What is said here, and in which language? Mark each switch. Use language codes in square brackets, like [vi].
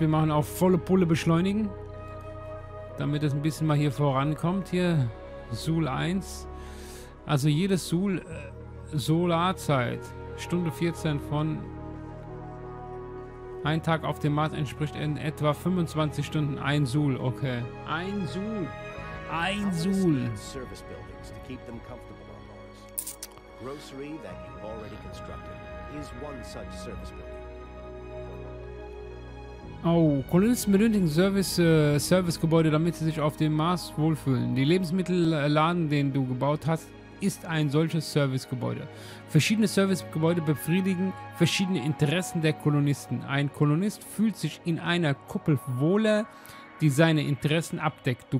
[de] Wir machen auf volle Pulle beschleunigen. Damit es ein bisschen mal hier vorankommt. Hier, Sul 1. Also jedes Sul... Solarzeit. Stunde 14 von... Ein Tag auf dem Mars entspricht in etwa 25 Stunden. Ein Sul, okay. Ein Sul. Ein Sul. [en] Service buildings to keep them comfortable on Mars. Grocery that you already constructed is one such service building. [de] Oh, Kolonisten benötigen Service-Gebäude, damit sie sich auf dem Mars wohlfühlen. Die Lebensmittelladen, den du gebaut hast, ist ein solches Servicegebäude. Verschiedene Servicegebäude befriedigen verschiedene Interessen der Kolonisten. Ein Kolonist fühlt sich in einer Kuppel wohler, die seine Interessen abdeckt.